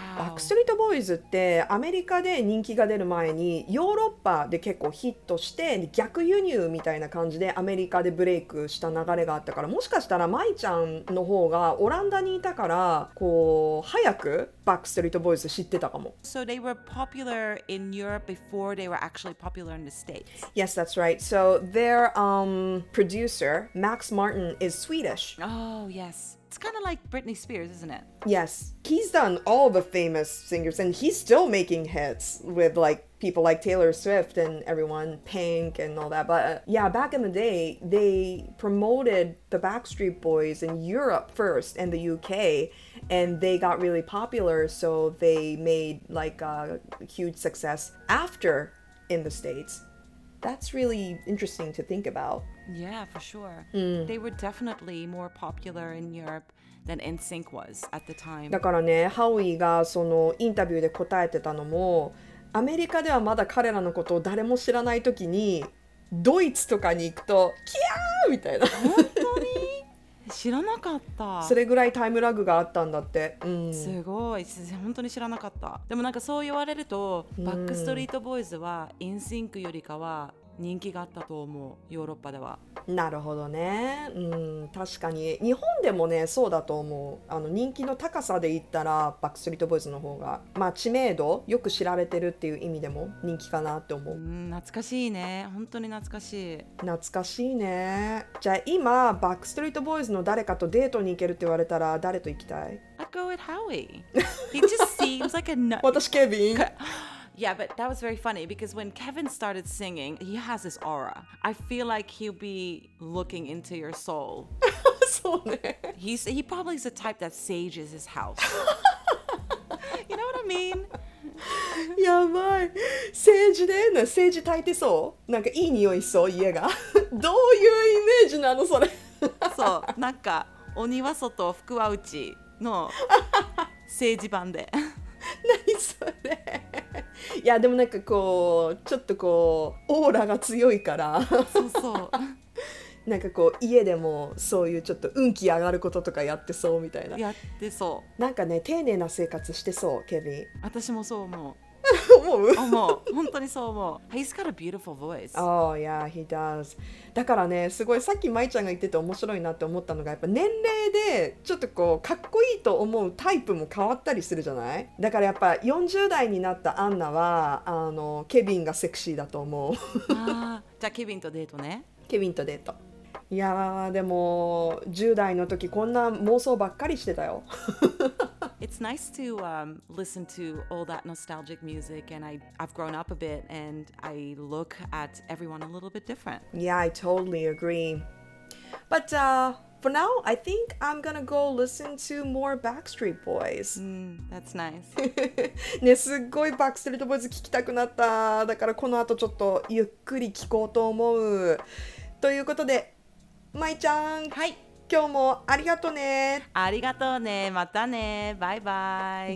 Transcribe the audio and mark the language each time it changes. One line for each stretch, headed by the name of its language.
Japanese: バックストリートボーイズってアメリカで人気が出る前にヨーロッパで結構ヒットして逆輸入みたいな感じでアメリカでブレイクした流れがあったからもしかしたらマイちゃんの方がオランダにいたからこう早くバックストリートボーイズ知ってたかも。
English: So they were popular in Europe before they were actually popular in the States. Yes, that's right. So their producer, Max Martin, is Swedish. Oh, yes. It's kind of like Britney Spears, isn't it? Yes. He's done all the famous singers and he's still making hits with like people like Taylor Swift and everyone, Pink and all that. But yeah, back in the day, they promoted the Backstreet Boys in Europe first and the UK and they got really popular. So they made like a huge success after in the States. That's really interesting to think about. Yeah, for sure. They were definitely more popular in Europe than NSYNC was at the time.
Japanese: だからね、ハウイがそのインタビューで答えてたのも、アメリカではまだ彼らのことを誰も知らないときに、ドイツとかに行くと、キャーみたいな。本当に知らなかった。それぐらいタイムラグがあったんだって。すごい、本当に知らなかった。でもなんかそう言われると、バックストリートボーイズはNSYNCよりかは、人気があったと思う、ヨーロッパでは。なるほどね、うん、確かに日本でもねそうだと思う。あの人気の高さで言ったらバックストリートボーイズの方が、まあ、知名度よく知られてるっていう意味でも人気かなって思う、うん、懐かしいね、本当に懐かしい。懐かしいね。じゃあ今バックストリートボーイズの誰かとデートに行けるって言われたら誰と行きたい？
English: I'd go with Howie. He just seems like a nice...
Japanese: 私ケビン。
English: Yeah, but that was very funny because when Kevin started singing, he has this aura. I feel like he'll be looking into your soul.
Japanese: そうね。
English: He probably is the type that sages his house. You know what I mean?
Japanese: やばい。セージでね、セージ焚いてそう。なんかいい匂いそう、家が。どういうイメージなのそれ。そう、なんか、お庭外、福は内のセージ版で。何それ。いやでもなんかこうちょっとこうオーラが強いからそうそうなんかこう家でもそういうちょっと運気上がることとかやってそうみたいな。やってそう。なんかね丁寧な生活してそう、ケビン。私もそう思う思う思う、本当にそう思う。
English: He's got a beautiful voice. Oh yeah, he does.
Japanese: だからねすごいさっきまいちゃんが言ってて面白いなって思ったのが、やっぱ年齢でちょっとこうかっこいいと思うタイプも変わったりするじゃない。だからやっぱ40代になったアンナはあのケビンがセクシーだと思うあ、じゃあケビンとデートね。ケビンとデート。いやでも10代の時こんな妄想ばっかりしてたよ
English: It's nice to listen to all that nostalgic music, and I've grown up a bit, and I look at everyone a little bit different. Yeah, I totally agree. But for now, I think I'm gonna go listen to more Backstreet Boys. That's nice.
Japanese: ね、すごいバックストリートボーイズ聞きたくなった。だからこの後ちょっとゆっくり聞こうと思う。ということで、まいちゃん。はい。今日もありがとうね。ありがとうね。またね。バイバイ。